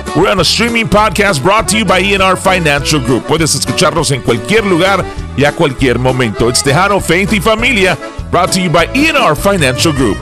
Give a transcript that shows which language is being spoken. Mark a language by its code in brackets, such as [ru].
[en] We're on a streaming podcast brought to you by ENR Financial Group. [es] Puedes escucharnos en cualquier lugar y a cualquier momento. [en] It's Tejano, Faith y Familia, brought to you by ENR Financial Group.